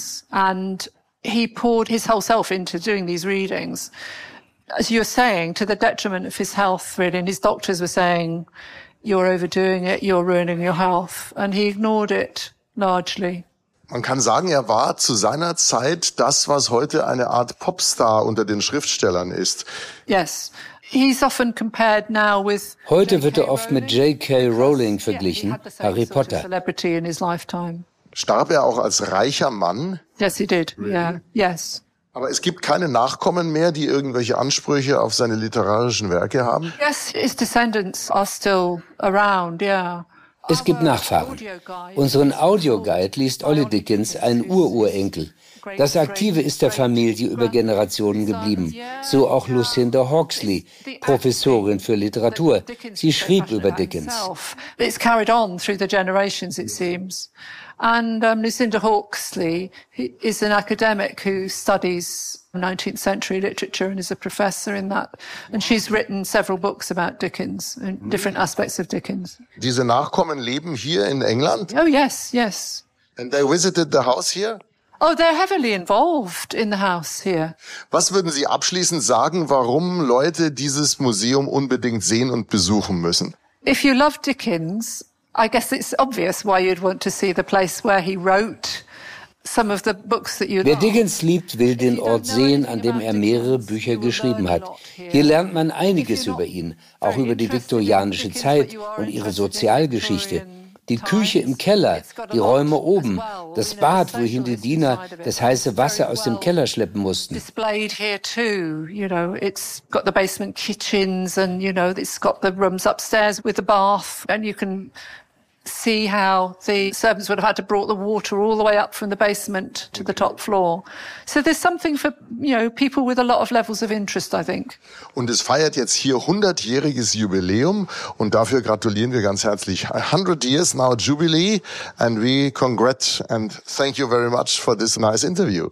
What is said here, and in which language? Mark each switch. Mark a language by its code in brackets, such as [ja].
[en] And he poured his whole self into doing these readings. As you're saying, to the detriment of his health, really. And his doctors were saying, you're overdoing it, you're ruining your health. And he ignored it largely. [de] Man kann sagen, er war zu seiner Zeit das, was heute eine Art Popstar unter den Schriftstellern ist. [en] Yes. He's often compared now with [de] Heute wird er oft mit J.K. Rowling verglichen, Harry Potter. [en] Celebrity in his lifetime. [de] Starb er auch als reicher Mann? [en] Yes, he did. Really? Yeah. Yes. [de] Aber es gibt keine Nachkommen mehr, die irgendwelche Ansprüche auf seine literarischen Werke haben? [en] Yes, his descendants are still around. Yeah. [de] Es gibt Nachfahren. Unseren Audioguide liest Olle Dickens, ein Ururenkel. Das Aktive ist der Familie über Generationen geblieben. So auch Lucinda Hawksley, Professorin für Literatur. Sie schrieb über Dickens. [en] It's carried on through the generations, it seems. And Lucinda Hawksley is an academic who studies 19th century literature and is a professor in that, and she's written several books about Dickens and different aspects of Dickens. [de] Diese Nachkommen leben hier in England? [en] Oh yes, yes. And they visited the house here? Oh, they're heavily involved in the house here. [de] Was würden Sie abschließend sagen, warum Leute dieses Museum unbedingt sehen und besuchen müssen? [en] If you love Dickens, I guess it's obvious why you'd want to see the place where he wrote some of the books that you love. [de] Wer Dickens liebt, will den Ort sehen, an dem er mehrere Bücher geschrieben hat. Hier lernt man einiges über ihn, auch über die viktorianische Zeit und ihre Sozialgeschichte. Die Küche im Keller, die Räume oben, das Bad, wohin die Diener das heiße Wasser aus dem Keller schleppen mussten. [en] Displayed here too, you know, it's got the basement kitchens and, you know, it's got the rooms upstairs with the bath, and you can see how the servants would have had to brought the water all the way up from the basement to the top floor. So there's something for, you know, people with a lot of levels of interest, I think. [de] Und es feiert jetzt hier 100-jähriges Jubiläum und dafür gratulieren wir ganz herzlich. [en] 100 years now jubilee and we congrat and thank you very much for this nice interview.